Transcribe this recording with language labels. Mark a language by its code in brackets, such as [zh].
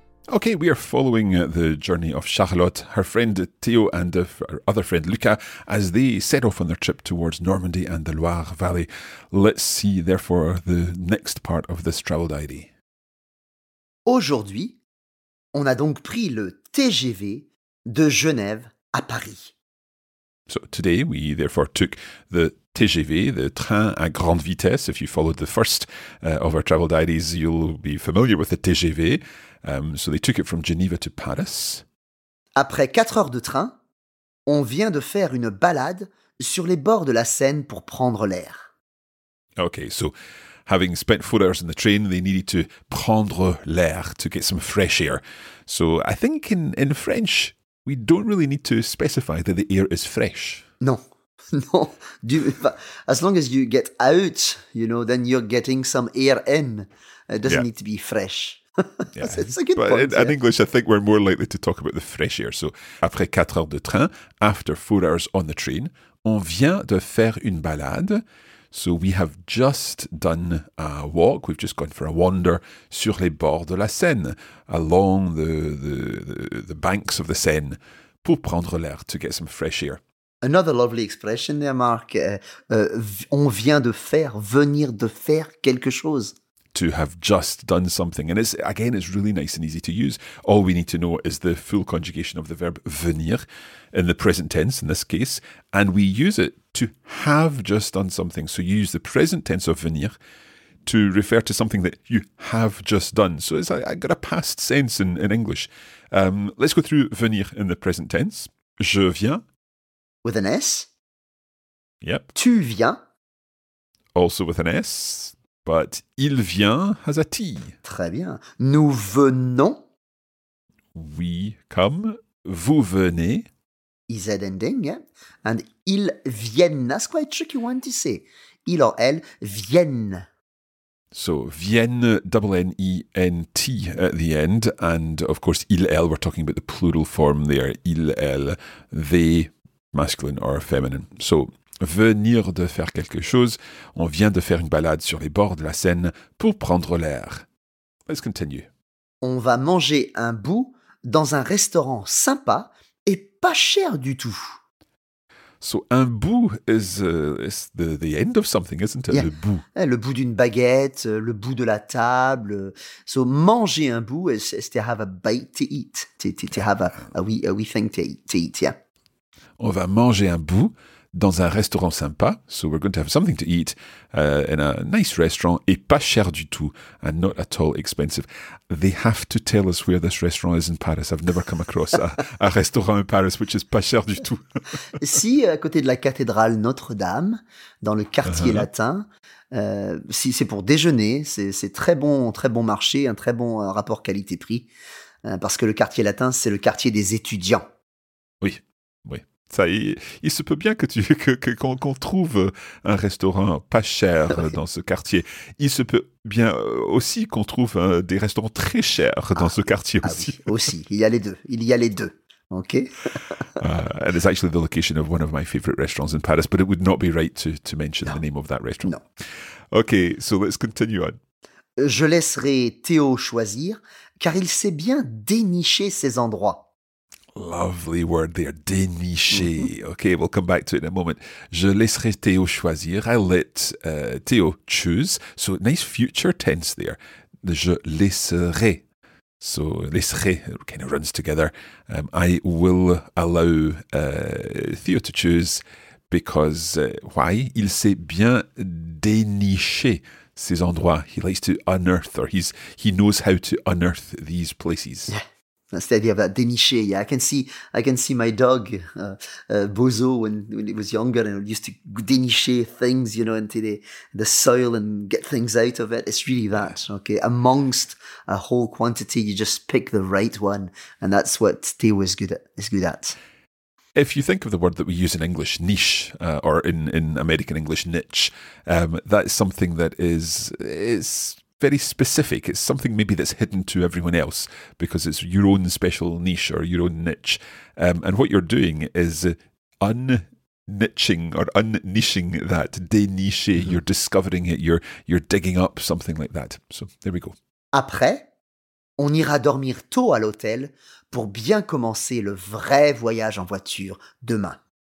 [en] Okay, we are following the journey of Charlotte, her friend Theo, and her other friend Luca as they set off on their trip towards Normandy and the Loire Valley. Let's see, therefore, the next part of this travel diary. [fr] Aujourd'hui, on a donc pris le TGV de Genève à Paris. [en] So today, we therefore took the TGV, the [fr] train à grande vitesse. [en] If you followed the first of our travel diaries, you'll be familiar with the TGV. So they took it from Geneva to Paris. [fr] Après 4 heures de train, on vient de faire une balade sur les bords de la Seine pour prendre l'air. [en] Okay, so having spent 4 hours in the train, they needed to [fr] prendre l'air, [en] to get some fresh air. So I think in French, we don't really need to specify that the air is fresh. [fr] Non. Non. [en] As long as you get out, you know, then you're getting some air in. It doesn't need to be fresh. Yeah. That's a good point. In English, I think we're more likely to talk about the fresh air. So, [fr] après 4 heures de train, [en] after 4 hours on the train, [fr] on vient de faire une balade. [en] So, we have just done a walk. We've just gone for a wander [fr] sur les bords de la Seine, [en] along the banks of the Seine, [fr] pour prendre l'air, [en] to get some fresh air. Another lovely expression there, Mark. [fr] On vient de faire, venir de faire quelque chose. [en] To have just done something. And it's really nice and easy to use. All we need to know is the full conjugation of the verb venir in the present tense in this case. And we use it to have just done something. So you use the present tense of venir to refer to something that you have just done. So it's I got a past sense in English. Let's go through venir in the present tense. [fr] Je viens. [en] With an S. Yep. [fr] Tu viens. [en] Also with an S. But [fr] il vient [en] has a T. [fr] Très bien. Nous venons. [en] We come. [fr] Vous venez. [en] Is that ending, yeah? And ils viennent. That's quite a tricky one to say. [fr] Il or elle viennent. [en] So viennent, double N-E-N-T at the end. And of course, il, elle, we're talking about the plural form there. Il, elle, they, masculine or feminine. [fr] So venir de faire quelque chose. On vient de faire une balade sur les bords de la Seine pour prendre l'air. [en] Let's continue. [fr] On va manger un bout dans un restaurant sympa et pas cher du tout. [en] So, un bout is the end of something, isn't it? Yeah. [fr] Le bout. Le bout d'une baguette, le bout de la table. [en] So, [fr] manger un bout [en] is to have a bite to eat. To have a wee thing to eat, yeah. [fr] On va manger un bout dans un restaurant sympa, [en] so we're going to have something to eat in a nice restaurant, [fr] et pas cher du tout, [en] and not at all expensive. They have to tell us where this restaurant is in Paris. I've never come across a restaurant in Paris which is [fr] pas cher du tout. Si, à côté de la cathédrale Notre-Dame, dans le quartier latin, si c'est pour déjeuner, c'est très bon marché, un très bon rapport qualité-prix, parce que le quartier latin, c'est le quartier des étudiants. Oui. Ça, il se peut bien qu'on trouve un restaurant pas cher dans ce quartier. Il se peut bien aussi qu'on trouve des restaurants très chers dans ce quartier aussi. Oui, aussi, il y a les deux. Il y a les deux. OK. [en] And it's actually the location of one of my favorite restaurants in Paris, but it would not be right to mention the name of that restaurant. [fr] Non. [en] OK, so let's continue on. [fr] Je laisserai Théo choisir, car il sait bien dénicher ses endroits. [en] Lovely word there, dénicher. Mm-hmm. Okay, we'll come back to it in a moment. [fr] Je laisserai Théo choisir. [en] I let Théo choose. So nice future tense there. [fr] Je laisserai. [en] So laisserai kind of runs together. I will allow Théo to choose because why? [fr] Il sait bien dénicher ces endroits. [en] He likes to unearth, or he knows how to unearth these places. Yeah. That's the idea of that dénicher. Yeah, I can see my dog Bozo when he was younger and used to dénicher things, you know, into the soil and get things out of it. It's really that. Okay, amongst a whole quantity, you just pick the right one, and that's what Théo is good at. If you think of the word that we use in English, niche, or in American English, niche, that is something that is. Very specific. It's something maybe that's hidden to everyone else because it's your own special niche or your own niche. And what you're doing is un-niching or un-niching that, dénicher. Mm-hmm. You're discovering it. You're digging up something like that. So there we go. [fr] Après, on ira dormir tôt à l'hôtel pour bien commencer le vrai voyage en voiture demain.